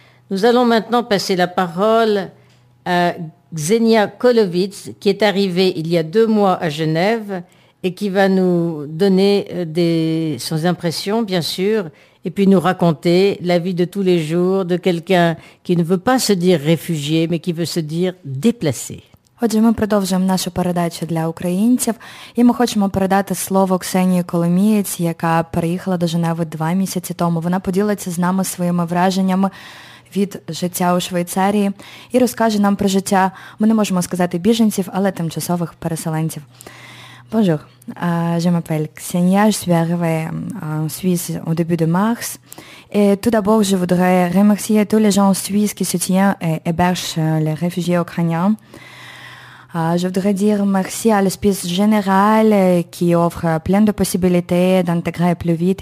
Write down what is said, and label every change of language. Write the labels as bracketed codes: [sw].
[fr] Nous allons maintenant passer la parole à Xenia Kolowitz, qui est arrivée il y a 2 mois à Genève et qui va nous donner ses impressions, bien sûr, et puis nous raconter la vie de tous les jours de quelqu'un qui ne veut pas se dire réfugié, mais qui veut se dire déplacé. [uk] Отже, ми продовжуємо нашу передачу для українців, і ми хочемо передати слово Ксенії Коломієць, яка приїхала до Женеви 2 місяці тому. Вона поділиться з нами своїми враженнями від життя у Швейцарії і розкаже нам про життя, ми не можемо сказати біженців, але тимчасових переселенців. [fr] Bonjour, je m'appelle Ksenia, je suis arrivée en Suisse au début de mars. Et tout d'abord, je voudrais remercier tous les gens suisses qui soutiennent et hébergent les réfugiés ukrainiens. Je voudrais dire merci à l'Hospice Général qui offre plein de possibilités d'intégrer plus vite.